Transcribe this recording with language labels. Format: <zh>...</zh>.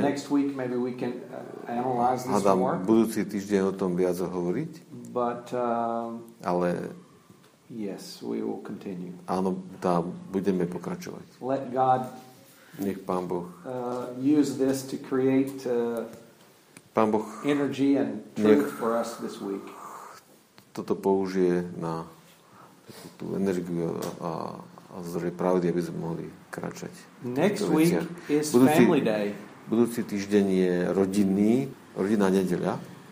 <en>next week maybe we can analyze this more.</en> <sk>Budúci týždeň o tom viac hovoriť.</sk> <en>But</en> <sk>ale</sk> <en>Yes, we will continue.</en> <sk>Áno, tá, budeme pokračovať.</sk> <en>Let God</en> <sk>nech Pán Boh</sk> <en>use this to create</en> <sk>Pán Boh</sk> <en>energy and truth for us this week.</en> <sk>Toto použije na tú energiu a zdroje pravdy, aby sme mohli kráčať.</sk> <en>Next week is family day.</en> <sk>Budúci týždeň je rodinná nedeľa.</sk>